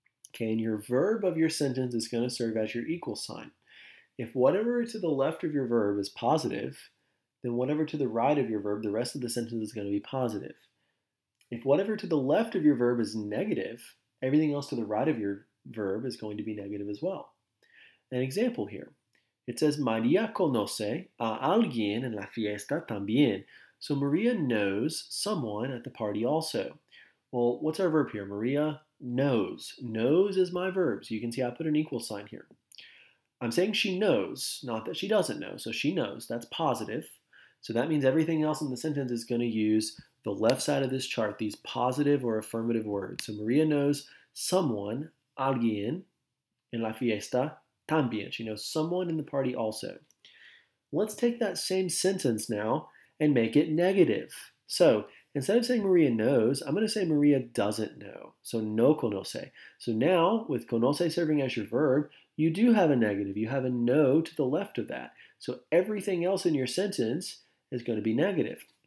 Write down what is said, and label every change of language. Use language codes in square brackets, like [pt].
[en] Okay, and your verb of your sentence is going to serve as your equal sign. If whatever to the left of your verb is positive, then whatever to the right of your verb, the rest of the sentence is going to be positive. If whatever to the left of your verb is negative, everything else to the right of your verb is going to be negative as well. An example here. [es] It says, María conoce a alguien en la fiesta también. [en] So María knows someone at the party also. Well, what's our verb here? María knows. Knows is my verb. So you can see I put an equal sign here. I'm saying she knows, not that she doesn't know. So she knows. That's positive. So that means everything else in the sentence is going to use the left side of this chart, these positive or affirmative words. So María knows someone, alguien, [es] en la fiesta también. [en] She knows someone in the party also. Let's take that same sentence now and make it negative. So instead of saying María knows, I'm going to say María doesn't know. So [es] no conoce. [en] So now with conoce serving as your verb, you do have a negative. You have a no to the left of that. So everything else in your sentence is going to be negative.